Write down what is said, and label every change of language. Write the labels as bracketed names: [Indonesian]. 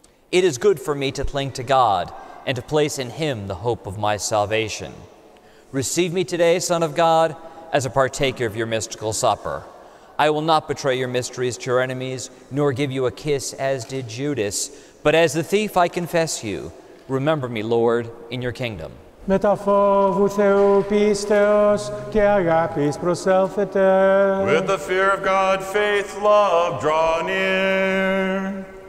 [English] It is good for me to cling to God and to place in him the hope of my salvation. Receive me today, Son of God, as a partaker of your mystical supper. I will not betray your mysteries to your enemies, nor give you a kiss as did Judas, but as the thief I confess you. Remember me, Lord, in your kingdom. [Greek] Μεταφόβου Θεού πίστεως και αγάπης προσέλθετε. [English] With the fear of God, faith, love, draw near.